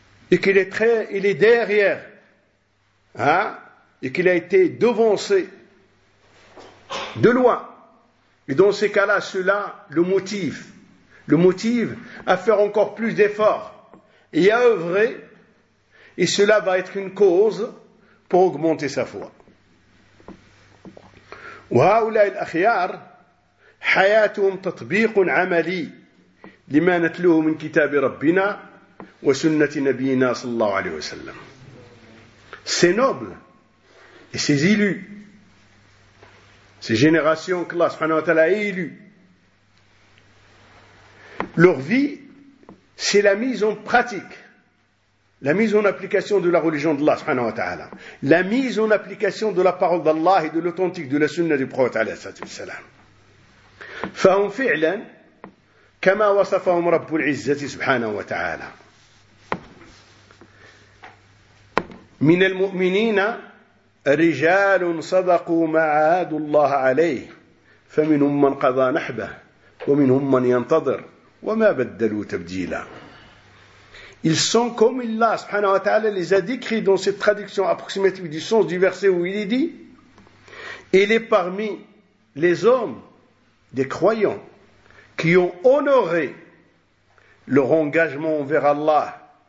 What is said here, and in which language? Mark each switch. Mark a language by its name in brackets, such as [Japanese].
[French] Et qu'il est très, il est derrière, hein, et qu'il a été devancé de loin. Et dans ces cas-là, cela le motive à faire encore plus d'efforts et à œuvrer, et cela va être une cause pour augmenter sa foi. [Arabic] وهؤلاء الأخيار حياتهم تطبيق عملي لما نتلوه من كتاب ربنا وسنة نبينا صلى الله عليه وسلم. [French] Ces nobles et ces élus, ces générations que Allah [Arabic] subhanahu wa ta'ala [French] a élus, leur vie, c'est la mise en pratique, la mise en application de la religion d'Allah subhanahu wa ta'ala, la mise en application de la parole d'Allah et de l'authentique de la sunna du prophète [Arabic] alayhi wa sallam. فهم فعلا كما وصفهم رب العزة سبحانه وتعالى من المؤمنين رجال صدقوا ما عاهدوا الله عليه فمنهم من قضى نحبه ومنهم من ينتظر وما بدلوا تبديلا. [French] Ils sont comme Allah [Arabic] subhanahu wa ta'ala [French] les a décrits dans cette traduction approximative du sens du verset où il est dit: il est parmi les hommes des croyants qui ont honoré leur engagement envers Allah.